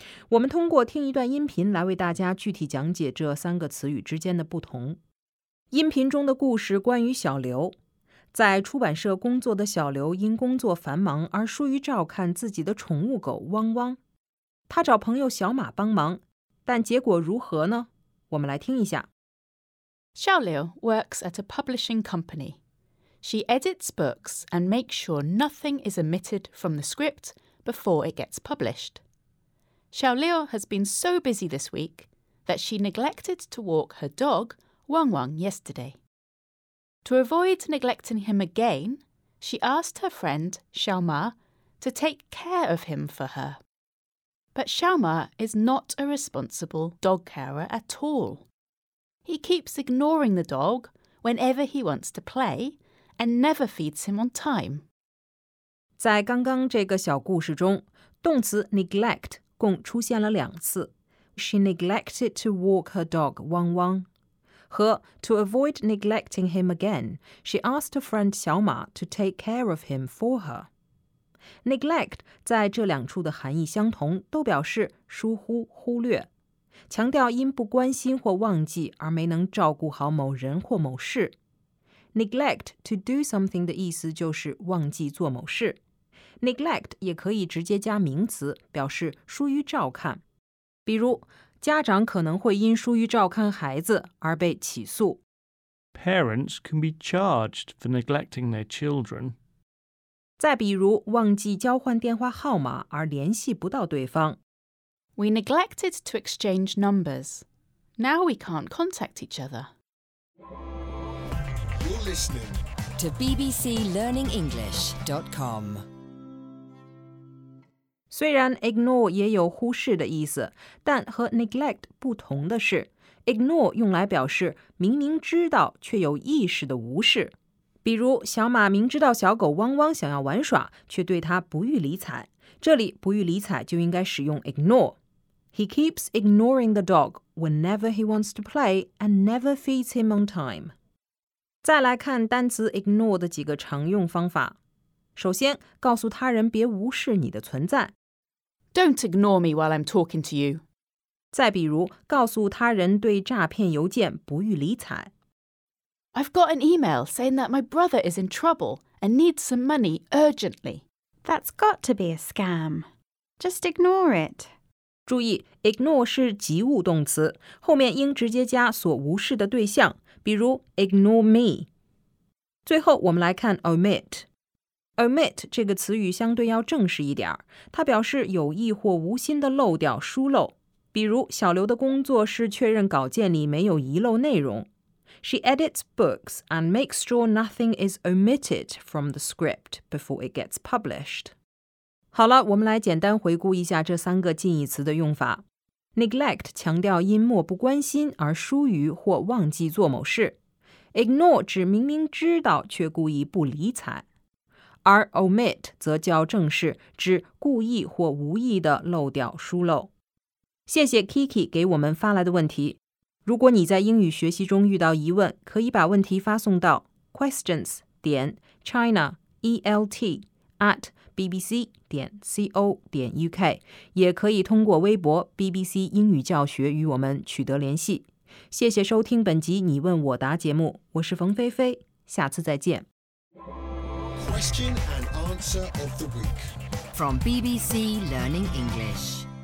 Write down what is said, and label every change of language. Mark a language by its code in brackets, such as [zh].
[zh] 我们通过听一段音频来为大家具体讲解这三个词语之间的不同。音频中的故事关于小刘。在出版社工作的小刘因工作繁忙而疏于照看自己的宠物狗汪汪。他找朋友小马帮忙，但结果如何呢？我们来听一下。 [en] Xiao Liu works at a publishing company. She edits books and makes sure nothing is omitted from the script before it gets published. Xiao Liu has been so busy this week that she neglected to walk her dog, Wang Wang, yesterday. To avoid neglecting him again, she asked her friend, Xiao Ma, to take care of him for her. But Xiao Ma is not a responsible dog carer at all. He keeps ignoring the dog whenever he wants to play and never feeds him on time. [zh] 在刚刚这个小故事中，动词 neglect 共出现了两次。 [en] She neglected to walk her dog, Wang Wang. 和 to avoid neglecting him again, she asked a friend 小马 to take care of him for her. [zh] Neglect 在这两处的含义相同，都表示疏忽、忽略。强调因不关心或忘记而没能照顾好某人或某事。 [en] Neglect to do something [zh] 的意思就是忘记做某事。 Neglect 也可以直接加名词，表示疏于照看。比如，家长可能会因疏于照看孩子而被起诉。 [en] Parents can be charged for neglecting their children. [zh] 再比如，忘记交换电话号码而联系不到对方。 [en] We neglected to exchange numbers. Now we can't contact each other. You're listening to bbclearningenglish.com. [zh] 虽然 ignore 也有忽视的意思，但和 neglect 不同的是， ignore 用来表示明明知道却有意识的无视。比如，小马明知道小狗汪汪想要玩耍，却对它不予理睬。这里不予理睬就应该使用 ignore。 [en] He keeps ignoring the dog whenever he wants to play and never feeds him on time. [zh] 再来看单词 ignore 的几个常用方法。首先，告诉他人别无视你的存在。 [en] Don't ignore me while I'm talking to you. [zh] 再比如，告诉他人对诈骗邮件不予理睬。 [en] I've got an email saying that my brother is in trouble and needs some money urgently. That's got to be a scam. Just ignore it. [zh] 注意 ignore 是及物动词，后面应直接加所无视的对象，比如 [en] ignore me。 [zh] 最后我们来看 omit。omit 这个词语相对要正式一点，它表示有意或无心的漏掉、疏漏。比如小刘的工作是确认稿件里没有遗漏内容。 [en] She edits books and makes sure nothing is omitted from the script before it gets published. [zh] 好了，我们来简单回顾一下这三个近义词的用法。 Neglect 强调因漠不关心而疏于或忘记做某事。 Ignore 指明明知道却故意不理睬。而 omit 则较正式，指故意或无意的漏掉、疏漏。谢谢 Kiki 给我们发来的问题。如果你在英语学习中遇到疑问，可以把问题发送到 questions.china@bbc.co.uk 也可以通过微博 BBC 英语教学与我们取得联系。谢谢收听本集你问我答节目，我是冯菲菲，下次再见。 [en] Question and answer of the week from BBC Learning English.